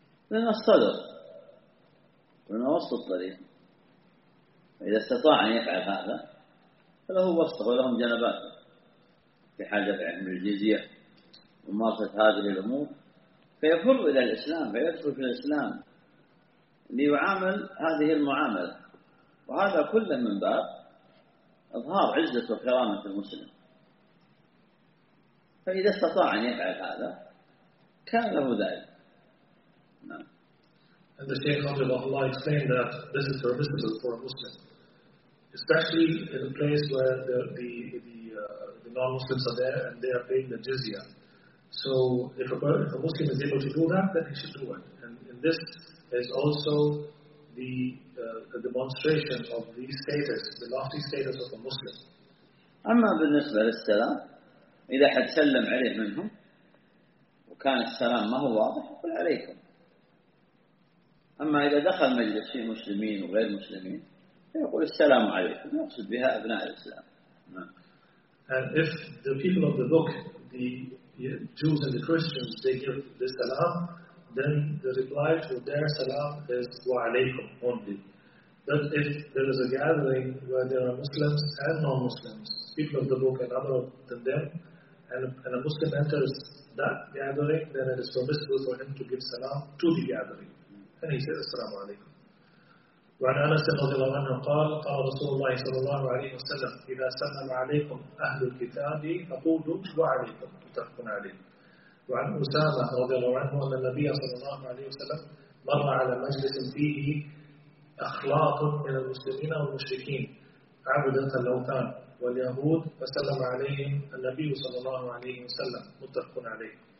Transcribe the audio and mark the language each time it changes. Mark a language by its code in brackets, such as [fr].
[ar] لأن الصدر لأن وسط الطريق إذا استطاع أن يفعل هذا فله وسط ولهم جنبات في حاجة من الجزية وممارسة هذه الأمور فيفر إلى الإسلام فيدخل في الإسلام ليعامل هذه المعاملة وهذا كله من باب إظهار عزة وكرامة المسلم. فإذا استطاع أن يفعل هذا كان له ذلك. [en] And the Shaykh Abdullah Allah explained that this is permissible for a Muslim, especially in a place where the non-Muslims are there and they are paying the jizya. So if a Muslim is able to do that, then he should do it. And in this is also the demonstration of the status, the lofty status of a Muslim. [ar] أما بالنسبة للسلام إذا حد سلم عليه منهم وكان السلام ما هو واضح قل عليكم. أما إذا دخل مجلس فيه مسلمين وغير مسلمين فيقول السلام عليكم يقصد بها أبناء الإسلام. [en] And if the people of the book, the Jews and the Christians, they give this salam, then the reply to their salam is [ar] wa alaykum [en] only. But if there is a gathering where there are Muslims and non-Muslims, people of the book and other than them, and a Muslim enters that gathering, then it is permissible for him to give salam to the gathering. And he says [ar] assalamu alaykum. وعن أنس رضي الله عنه قال قال رسول الله صلى الله عليه وسلم إذا سلم عليكم أهل الكتاب فقولوا وعليكم متفق عليه. وعن أسامة رضي الله عنه أن النبي صلى الله عليه وسلم مر على مجلس فيه أخلاط من المسلمين والمشركين عبدة الأوثان واليهود فسلم عليهم النبي صلى الله عليه وسلم متفق عليه.